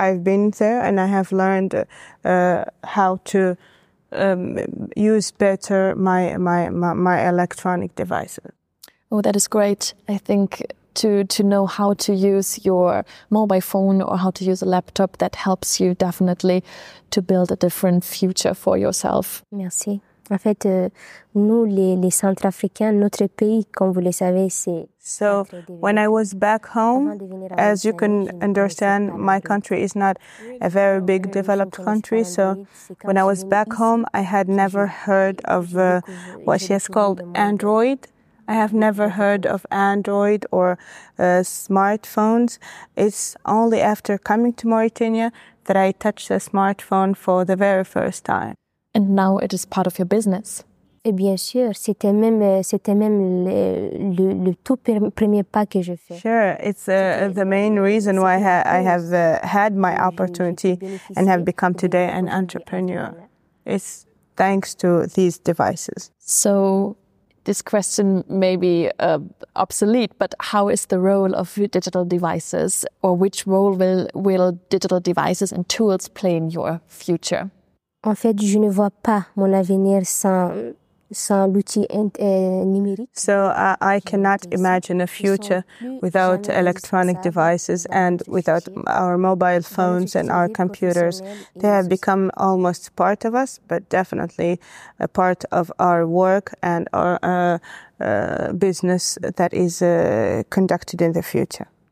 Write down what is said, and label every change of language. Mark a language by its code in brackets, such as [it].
[en] I've been there and I have learned how to use better my electronic devices. Oh, that is great. I think to know how to use your mobile phone or how to use a laptop, that helps you definitely to build a different future for yourself. [fr] Merci. En fait, nous, les centres africains, notre pays, comme vous le savez, c'est... [en] So, when I was back home, as you can understand, my country is not a very big developed country. So, when I was back home, I had never heard of what she has called Android. I have never heard of Android or smartphones. It's only after coming to Mauritania that I touched a smartphone for the very first time. And now it is part of your business. [fr] Et bien sûr, c'était même le tout premier pas que je fais. [en] Sure, it's the main reason why I have had my opportunity and have become today an entrepreneur. It's thanks to these devices. So this question may be obsolete, but how is the role of digital devices, or which role will digital devices and tools play in your future? [fr] En fait, je ne vois pas mon avenir sans l'outil numérique. [en] So I cannot imagine a future without electronic devices and without our mobile phones and our computers. They have become almost part of us, but definitely a part of our work and our business that is conducted in the future.